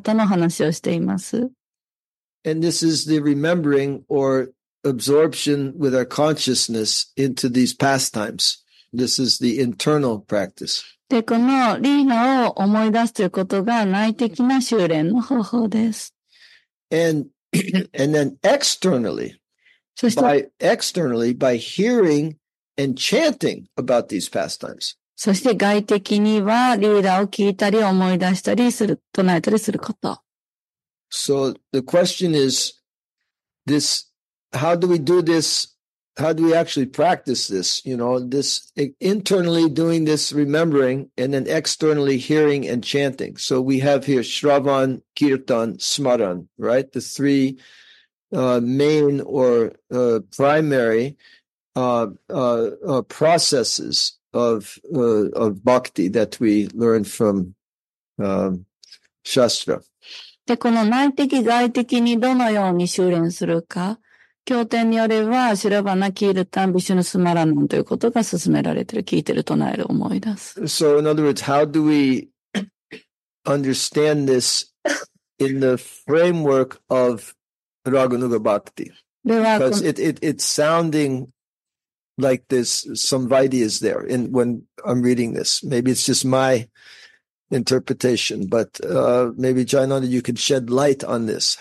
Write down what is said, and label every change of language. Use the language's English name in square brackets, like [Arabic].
[English] One is the internal. And this is the remembering or absorption with our consciousness into these pastimes. This is the internal practice. [Japanese] で、このリーナを思い出すということが内的な修練の方法です。 [English] And then externally, by hearing,And chanting about these pastimes. [Japanese] そして外的にはリーダーを聞いたり思い出したりする、唱えたりすること。 [English] So the question is, this, how do we do this? How do we actually practice this? You know, this internally doing this remembering and then externally hearing and chanting. So we have here Shravan, Kirtan, Smaran, right? The three, main or, primary,processes of bhakti that we learn from, Shastra. [Japanese] で、この内的外的にどのように修練するか、経典によれば、シラバナ、キールタン、ビシュヌスマラノンということが勧められている、聞いている、唱える、思い出す。 [English] So, in other words, how do we understand this in the framework of Raghunuga bhakti? Because it's soundinglike this, some vaidhi is there in, when I'm reading this. Maybe it's just my interpretation, but, maybe Jayananda, you could shed light on this.